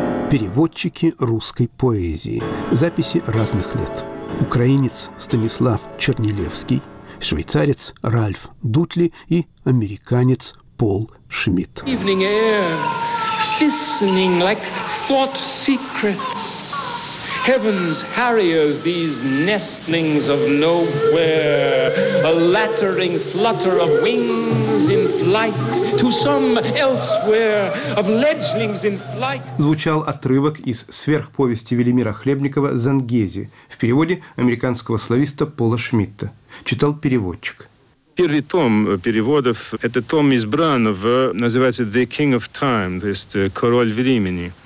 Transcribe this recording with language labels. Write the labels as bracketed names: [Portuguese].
[Russian] Переводчики русской поэзии. Записи разных лет. Украинец Станислав Чернилевский, швейцарец Ральф Дутли и американец Пол Шмидт. [English] Evening air, listening like thought secrets. Heaven's harriers, these nestlings of nowhere. A lattering flutter of wings in flight to some elsewhere, of ledgelings in flight. [Russian] Звучал отрывок из сверхповести Велимира Хлебникова «Зангези» в переводе американского слависта Пола Шмидта. Читал переводчик. Первый том переводов, это том избран, называется [English] «The King of Time», [Russian] то есть «Король времени».